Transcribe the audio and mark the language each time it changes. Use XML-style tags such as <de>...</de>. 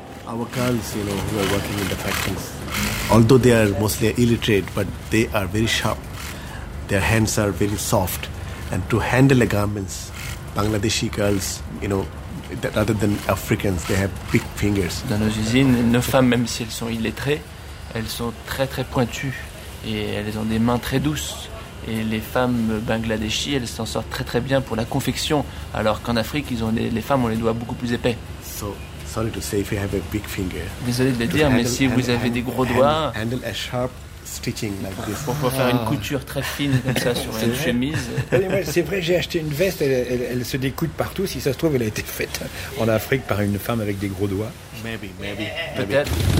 <en>Our girls, you know, who are working in the factories. Although they are mostly illiterate, but they are very sharp. Their hands are very soft. And to handle the garments, Bangladeshi girls, you know, rather than Africans, they have big fingers.</en> <fr>Dans nos usines, nos femmes, même si elles sont illettrées, elles sont très très pointues et elles ont des mains très douces. Et les femmes bangladeshi, elles s'en sortent très très bien pour la confection, alors qu'en Afrique, ils ont les femmes ont les doigts beaucoup plus épais.</fr> <en>So, sorry to say if you have a big finger.</en> <fr>Désolé de le dire, mais si vous avez des gros doigts,</fr> <en>handle a sharp stitching like this.</en> <fr>Pour pouvoir faire une couture très fine comme ça sur une chemise. C'est vrai, j'ai acheté une veste, elle se découpe partout. Si ça se trouve, elle a été faite en Afrique par une femme avec des gros doigts.</fr> <en>Maybe.</en> <fr>Peut-être.</fr>